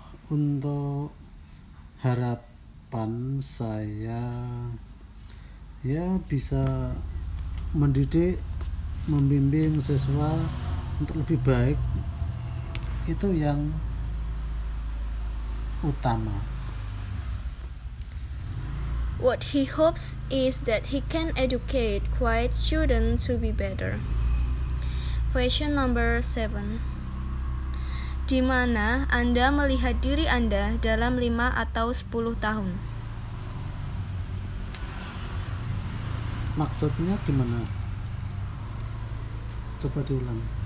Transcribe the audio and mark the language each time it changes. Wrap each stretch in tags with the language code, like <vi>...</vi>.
<id>Untuk harap pan saya ya bisa mendidik, membimbing siswa untuk lebih baik, itu yang utama.</id> <en>What he hopes is that he can educate quiet students to be better. Question number 7.</en> <id>Di mana Anda melihat diri Anda dalam 5 atau 10 tahun? Maksudnya gimana? Coba diulang.</id>